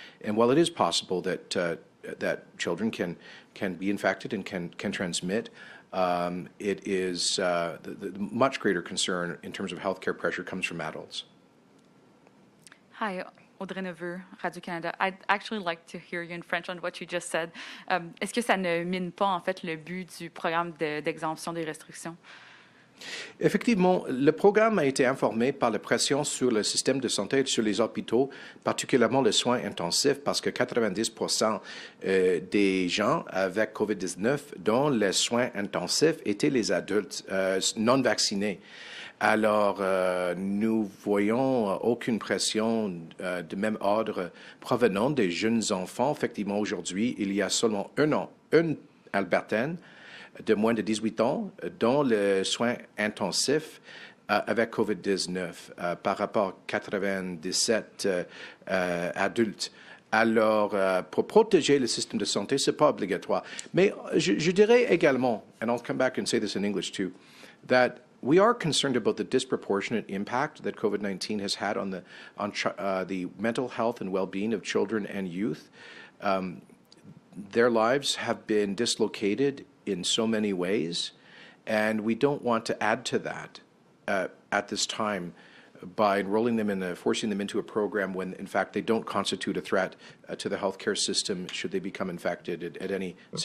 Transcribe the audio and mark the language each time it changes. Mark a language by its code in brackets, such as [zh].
[en] And while it is possible that children can be infected and can transmit, it is the much greater concern in terms of healthcare pressure comes from adults. Hi, Audrey Neveu, Radio-Canada. I'd actually like to hear you in French on what you just said. [fr] Est-ce que ça ne mine pas en fait le but du programme d'exemption des restrictions? Effectivement, le programme a été informé par la pression sur le système de santé et sur les hôpitaux, particulièrement les soins intensifs, parce que 90% des gens avec COVID-19 dont les soins intensifs étaient les adultes non vaccinés. Alors, nous voyons aucune pression de même ordre provenant des jeunes enfants. Effectivement, aujourd'hui, il y a seulement une Albertaine de moins de 18 ans dont les soins intensifs avec COVID-19 par rapport à 97 adultes. Alors, pour protéger le système de santé, ce n'est pas obligatoire. Mais je dirais également, [en] and I'll come back and say this in English too, that We are concerned about the disproportionate impact that COVID-19 has had on the mental health and well-being of children and youth. Their lives have been dislocated in so many ways, and we don't want to add to that at this time by enrolling them in forcing them into a program when, in fact, they don't constitute a threat to the healthcare system should they become infected at any mm-hmm.